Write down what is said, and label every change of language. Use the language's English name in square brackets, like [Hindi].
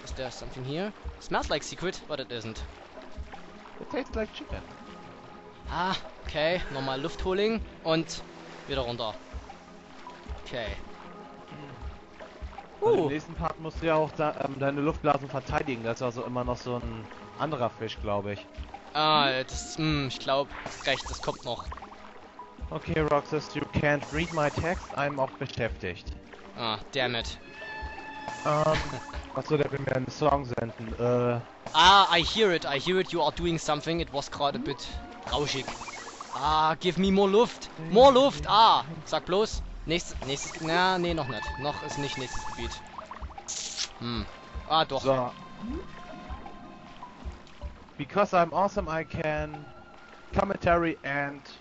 [English] Is there something here? It smells like secret, but it isn't. It tastes like chicken. Ah, okay. [German] Nochmal Luft holen und wieder runter. Okay. Also im nächsten Part musst du ja auch deine Luftblasen verteidigen. Das ist also immer noch so ein anderer Fisch, glaube ich. Ah, das ist, ich glaube, recht, das kommt noch. [English] Okay, Roxas, you can't read my text, I'm [German] auch beschäftigt. [English] Ah, damn it. [German] Achso, der will mir einen Song senden, [English] I hear it, you are doing something, it was [German] gerade [English] a bit [German] rauschig. Ah, [English] give me more [German] Luft, ah, sag bloß, nächstes, na, nee, noch nicht, noch ist nicht nächstes Gebiet. Ah, doch. So. [English] Because I'm awesome, I can commentary and...